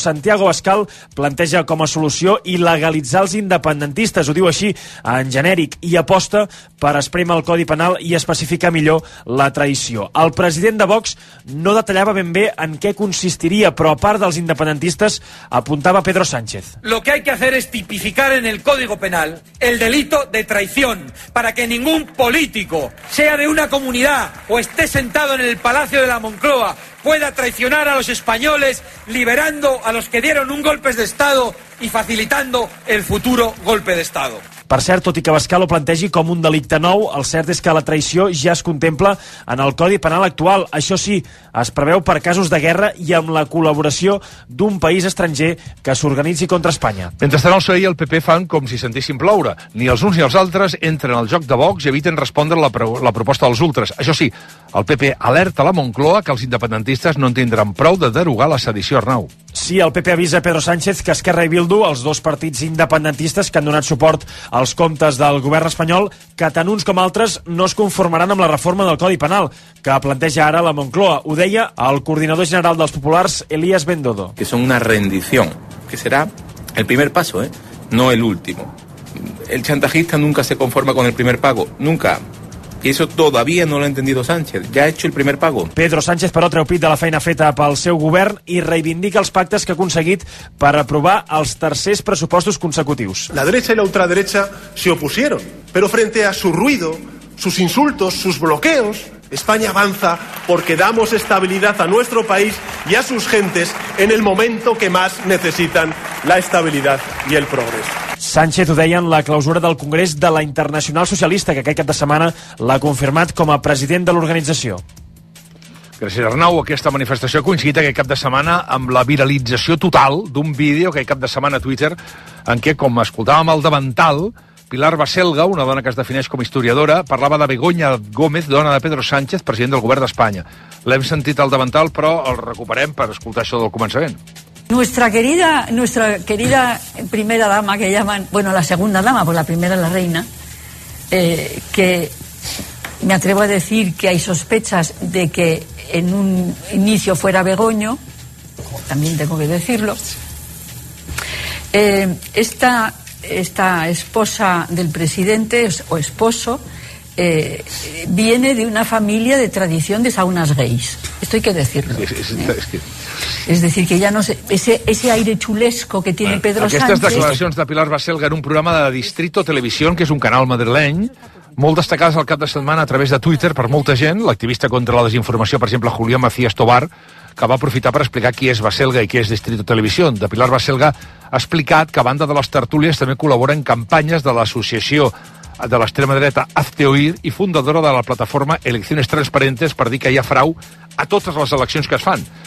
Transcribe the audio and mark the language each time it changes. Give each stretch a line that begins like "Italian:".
Catalan: Santiago Abascal planteja com a solució il·legalitzar els independentistes, ho diu així en genèric, i aposta per esprémer el codi penal i especificar millor la traïció. El president de Vox no detallava ben bé en què consistiria, però a part dels independentistes apuntava Pedro Sánchez.
Spanish: Lo que hay que hacer es tipificar en el código penal el delito de traición para que ningún político sea de una comunidad o esté sentado en el Palacio de la Moncloa pueda traicionar a los españoles liberando a los que dieron un golpe de Estado y facilitando el futuro golpe de Estado.
Catalan: Per cert, tot i que Abascal ho plantegi com un delicte nou, el cert és que la traïció ja es contempla en el Codi Penal actual. Això sí, es preveu per casos de guerra i amb la col·laboració d'un país estranger que s'organitzi contra Espanya. Mentre estan al seu i el PP fan com si sentissin ploure. Ni els uns ni els altres entren al joc de Vox i eviten respondre la proposta dels ultres. Això sí, el PP alerta la Moncloa que els independentistes no en tindran prou de derogar la sedició, Arnau. Sí, el PP avisa Pedro Sánchez que Esquerra i Bildu, els dos partits independentistes que han donat suport als comptes del govern espanyol, que tant uns com altres no es conformaran amb la reforma del Codi Penal que planteja ara la Moncloa. Ho deia el coordinador general dels populars, Elías Bendodo.
Spanish: Que son una rendición, que será el primer paso, no el último. El chantajista nunca se conforma con el primer pago, nunca. Y eso todavía no lo ha entendido Sánchez. Ja ha hecho el primer pago.
Catalan: Pedro Sánchez, però, treu pit de la feina feta pel seu govern i reivindica els pactes que ha aconseguit per aprovar els tercers pressupostos consecutius.
Spanish: La derecha y la ultraderecha se opusieron, pero frente a su ruido, sus insultos, sus bloqueos, España avanza porque damos estabilidad a nuestro país y a sus gentes en el momento que más necesitan la estabilidad y el progreso.
Catalan: Sánchez ho deia en la clausura del Congrés de la Internacional Socialista, que aquest cap de setmana l'ha confirmat com a president de l'organització. Gràcies, Arnau. Aquesta manifestació ha coincidit aquest cap de setmana amb la viralització total d'un vídeo aquest cap de setmana a Twitter en què, com escoltàvem el davantal, Pilar Baselga, una dona que es defineix com historiadora, parlava de Begoña Gómez, dona de Pedro Sánchez, president del govern d'Espanya. L'hem sentit al davantal, però el recuperem per escoltar això del començament.
Spanish: Nuestra querida primera dama, que llaman, bueno, la segunda dama, pues la primera, la reina, que me atrevo a decir que hay sospechas de que en un inicio fuera Begoño, también tengo que decirlo, esta esposa del presidente o esposo viene de una familia de tradición de saunas gays. Esto hay que decirlo. Es decir, que ya no sé, ese aire chulesco que tiene Pedro Sánchez...
Catalan: Aquestes declaracions de Pilar Baselga en un programa de Distrito Televisión, que és un canal madrileny, molt destacades al cap de setmana a través de Twitter per molta gent, l'activista contra la desinformació, per exemple, Julián Macías Tobar, que va aprofitar per explicar qui és Baselga i qui és Distrito Televisión. De Pilar Baselga ha explicat que, a banda de les tertúlies, també col·labora en campanyes de l'associació de l'extrema dreta Hazte Oír i fundadora de la plataforma Elecciones Transparentes per dir que hi ha frau a totes les eleccions que es fan.